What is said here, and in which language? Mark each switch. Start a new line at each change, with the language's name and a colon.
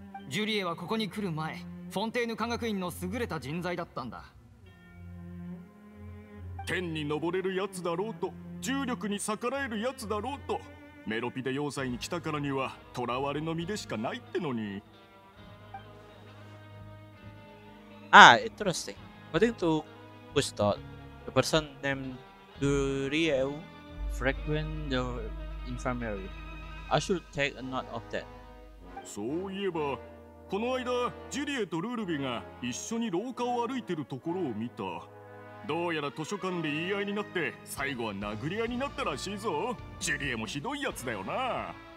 Japanese: ジュリエはここに来る前、フォンテーヌ科学院の優れた人材だったんだ。天に登れるやつだろうと、重力に逆らえるやつだろうと、メロピデ要塞に来たからには囚われの身でしかないってのに。ああ、interesting。
English: According to Gusto, the person named Duriel frequent the infirmary. I should take a note of that.
Japanese: そういえば、この間、ジュリエとルールビが一緒に廊下を歩いてるところを見た。どうやら図書館で言い合いになって、最後は殴り合いになったらしいぞ。ジュリエもひどいやつだよな。